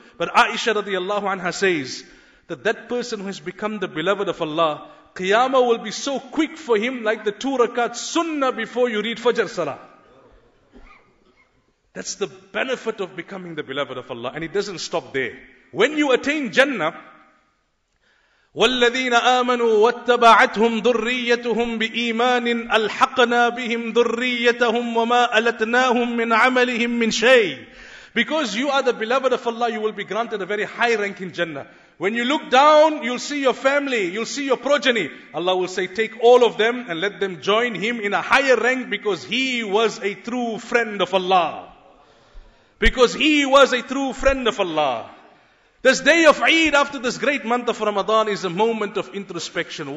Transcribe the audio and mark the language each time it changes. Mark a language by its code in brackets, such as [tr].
[en] But Aisha radiallahu anha says that that person who has become the beloved of Allah, Qiyamah will be so quick for him like the 2 rakat sunnah before you read Fajr Salah. That's the benefit of becoming the beloved of Allah. And it doesn't stop there. When you attain Jannah, [ar] وَالَّذِينَ آمَنُوا وَاتَّبَعَتْهُمْ ذُرِّيَّتُهُمْ بِإِيمَانٍ أَلْحَقْنَا بِهِمْ ذُرِّيَّتَهُمْ وَمَا أَلَتْنَاهُمْ مِنْ عَمَلِهِمْ مِنْ شَيْءٍ. [en] Because you are the beloved of Allah, you will be granted a very high rank in Jannah. When you look down, you'll see your family, you'll see your progeny. Allah will say, take all of them and let them join him in a higher rank because he was a true friend of Allah. Because he was a true friend of Allah. This day of Eid after this great month of Ramadan is a moment of introspection.